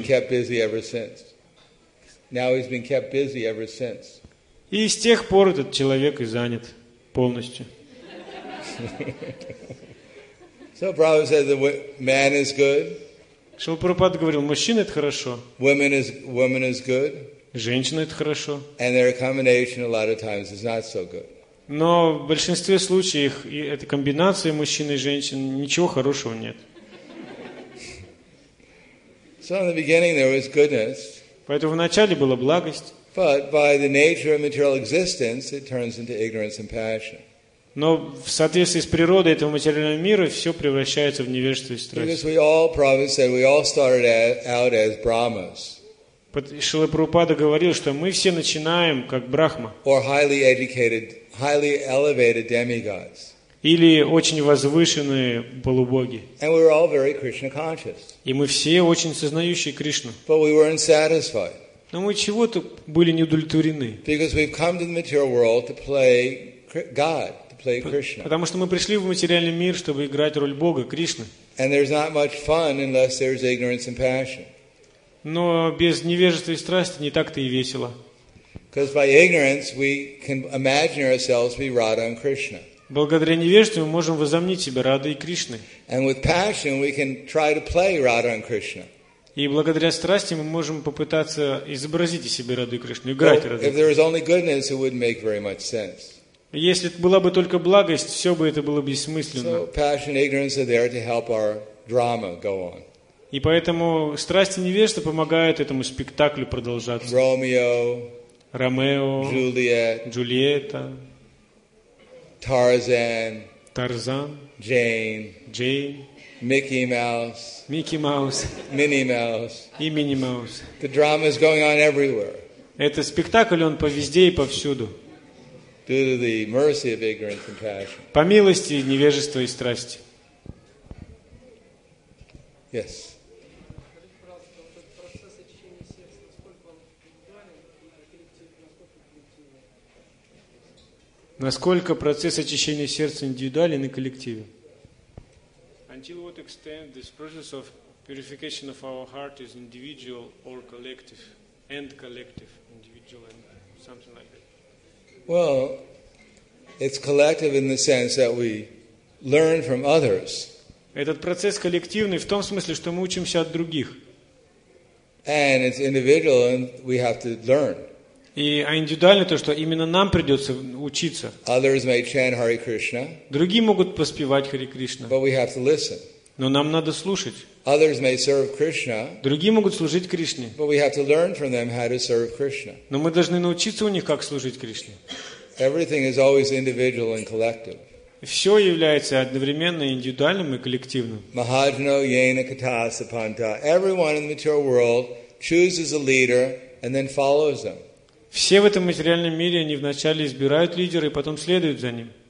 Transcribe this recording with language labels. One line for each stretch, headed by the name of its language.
English: And he's been kept busy ever since. Now he's been kept busy ever since.
Russian: И с тех пор этот человек и занят полностью.
English: So Prabhupada said that man is good.
Russian: Шрила Прабхупада говорил, мужчина это хорошо.
English: Woman is good.
Russian: Женщина это хорошо.
English: And their combination a lot of times is not so good.
Russian: Но в большинстве случаев эта комбинация мужчины и женщины ничего хорошего нет.
English: So in the beginning there was goodness.
Russian: Поэтому вначале была благость. Но в соответствии с природой этого материального мира все превращается в невежество и страсть. Шрила Прабхупада говорил, что мы все начинаем как брахма. Или очень возвышенные полубоги.
English: And we were all very Krishna conscious.
Russian: И мы все очень сознающие Кришну.
English: But we weren't satisfied.
Russian: Но мы чего-то были не удовлетворены.
English: Because we've come to the material world to play God, to play Krishna.
Russian: Потому что мы пришли в материальный мир, чтобы играть роль Бога, Кришны.
English: And there's not much fun unless there's ignorance and passion.
Russian: Но без невежества и страсти не так-то и весело.
English: Because by ignorance we can imagine ourselves to be Radha and Krishna.
Russian: Благодаря невежеству мы можем возомнить себя Радой и Кришной.
English: And with passion we can try to play Radha and Krishna.
Russian: И благодаря страсти мы можем попытаться изобразить из себя Раду и Кришну, играть Раду.
English: If there was only goodness, it wouldn't make very much sense.
Russian: Если была бы только благость, все бы это было бессмысленно.
English: So passion and ignorance are there to help our drama go on.
Russian: И поэтому страсть и невежество помогают этому спектаклю продолжаться. Ромео, Джульетта.
English: Tarzan, Tarzan, Jane, Jane, Mickey Mouse, Mickey Mouse, Minnie Mouse,
Russian: и Minnie Mouse.
English: The drama is going on everywhere.
Russian: Это спектакль, он повезде и повсюду.
English: Due to the mercy of ignorance and passion.
Russian: По милости невежества и страсти.
English: Yes.
Russian: Насколько процесс очищения сердца индивидуален и коллективен?
English: Until what extent this process of purification of our heart is individual or collective, and collective, individual and something like that? Well, it's collective in the sense that we learn from others.
Russian: Этот процесс коллективный в том смысле, что мы учимся от других.
English: And it's individual, and we have to learn.
Russian: И индивидуально то, что именно нам придется учиться.
English: Others may chant Hare Krishna.
Russian: Другие могут поспевать Hare Krishna.
English: But we have to listen.
Russian: Но нам надо слушать.
English: Others may serve Krishna.
Russian: Другие могут служить Кришне.
English: But we have to learn from them how to serve Krishna.
Russian: Но мы должны научиться у них, как служить Кришне.
English: Everything is always individual and collective.
Russian: Все является одновременно индивидуальным и коллективным.
Sanskrit: Mahajano, Yena, Katasa, Panta.
English: Everyone in the material world chooses a leader and then follows them.
Russian: Все в этом материальном мире, они вначале избирают лидера и потом следуют за ним.